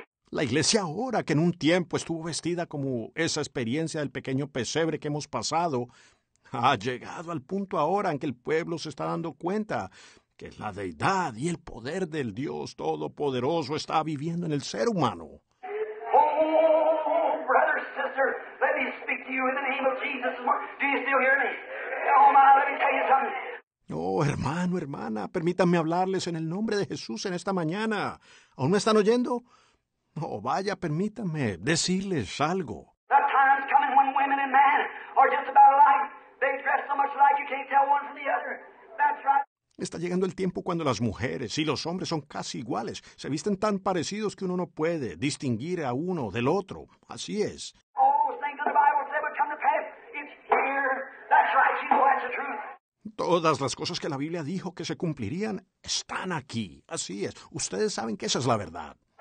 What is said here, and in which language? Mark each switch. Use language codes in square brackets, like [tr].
[es] La iglesia ahora, que en un tiempo estuvo vestida como esa experiencia del pequeño pesebre que hemos pasado, ha llegado al punto ahora en que el pueblo se está dando cuenta que la deidad y el poder del Dios Todopoderoso está viviendo en el ser humano. [en] Oh, brother, sister, let me speak to you in the name of Jesus. Do you still hear me? Oh, my, let me tell you something. [es] Oh, hermano, hermana, permítanme hablarles en el nombre de Jesús en esta mañana. ¿Aún me están oyendo? Oh, vaya, permítanme decirles algo. [en] The time's coming when women and men are just about alike. They dress so much alike you can't tell one from the other. That's right. [es] Está llegando el tiempo cuando las mujeres y los hombres son casi iguales. Se visten tan parecidos que uno no puede distinguir a uno del otro. Así es. [en] Oh, think of the Bible said would come to pass. It's here. That's right, you know that's the truth. [es] Todas las cosas que la Biblia dijo que se cumplirían están aquí. Así es. Ustedes saben que esa es la verdad.